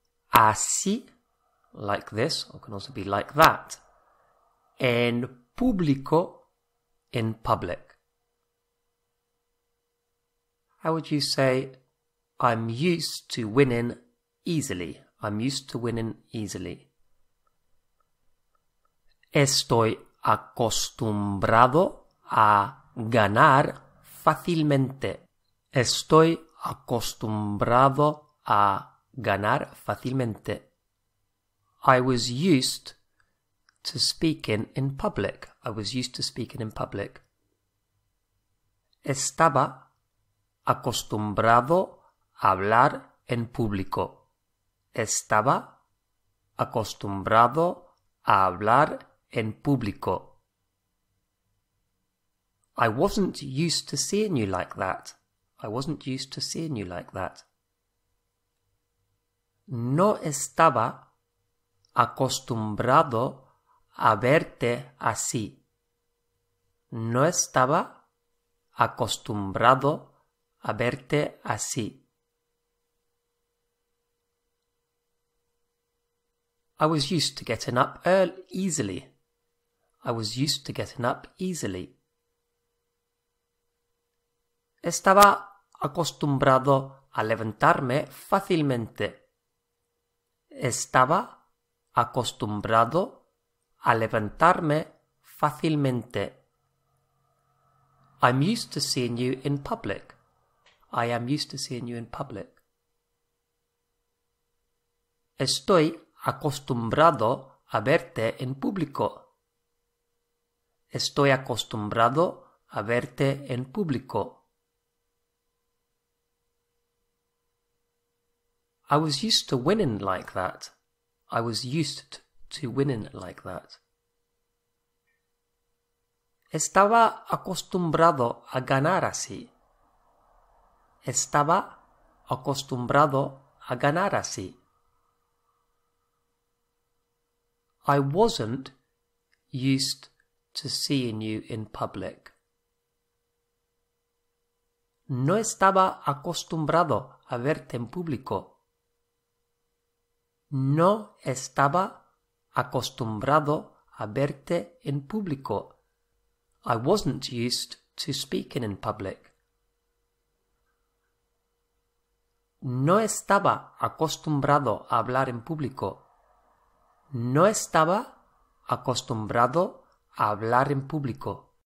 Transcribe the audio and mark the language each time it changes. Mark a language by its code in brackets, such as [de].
[es] Así, [en] like this, or can also be like that. [es] En público, [en] in public. How would you say, I'm used to winning easily? I'm used to winning easily. [es] Estoy acostumbrado a ganar fácilmente. Estoy acostumbrado a ganar fácilmente. [en] I was used to speaking in public. I was used to speaking in public. [es] Estaba acostumbrado a hablar en público. Estaba acostumbrado a hablar en público. [en] I wasn't used to seeing you like that. I wasn't used to seeing you like that. [es] No estaba acostumbrado a verte así. No estaba acostumbrado a verte así. [en] I was used to getting up easily. I was used to getting up easily. [es] Estaba acostumbrado a levantarme fácilmente. Estaba acostumbrado a levantarme fácilmente. [en] I'm used to seeing you in public. I am used to seeing you in public. [es] Estoy acostumbrado a verte en público. Estoy acostumbrado a verte en público. [en] I was used to winning like that. I was used to winning like that. [es] Estaba acostumbrado a ganar así. Estaba acostumbrado a ganar así. [en] I wasn't used to seeing you in public. [es] No estaba acostumbrado a verte en público. No estaba acostumbrado a verte en público. [en] I wasn't used to speaking in public. [es] No estaba acostumbrado a hablar en público. No estaba acostumbrado a hablar en público.